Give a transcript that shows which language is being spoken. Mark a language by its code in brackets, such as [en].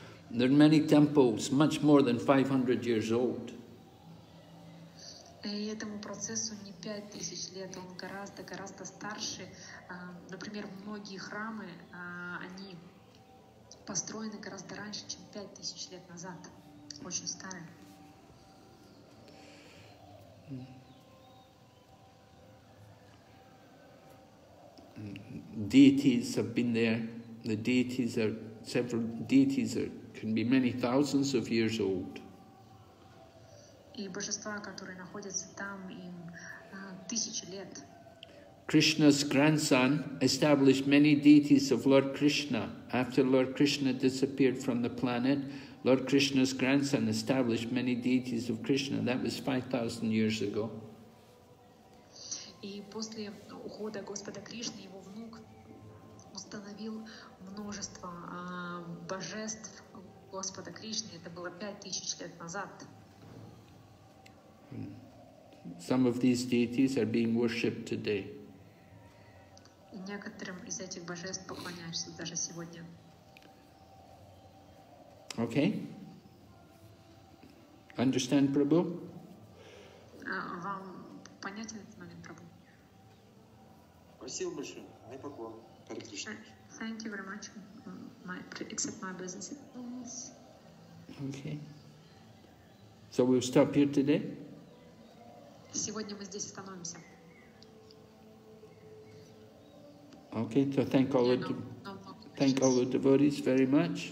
[en] There are many temples much more than 500 years old. [ru] И этому процессу не 5000 лет, он гораздо, гораздо старше. Например, многие храмы, они построены гораздо раньше, чем 5000 лет назад. Очень старые. [en] Deities have been there. The deities are several deities are can be many thousands of years old. [ru] И божества, которые находятся там, им тысячи лет. [en] Krishna's grandson established many deities of Lord Krishna. After Lord Krishna disappeared from the planet, Lord Krishna's grandson established many deities of Krishna. That was 5,000 years ago. [ru] И после ухода Господа Кришны его внук установил множество божеств Господа Кришны. Это было 5,000 лет назад. [en] Some of these deities are being worshipped today. [ru] Некоторым из этих божеств поклоняются даже сегодня. [en] Okay. Understand, Prabhu? [ru] Вам понятен этот момент, Прабху? Спасибо большое. Ай поклон. Харе Кришна. [en] Thank you very much. Accept my business. Okay. So we'll stop here today? [ru] Сегодня мы здесь остановимся. [en] Okay, so thank all the devotees very much.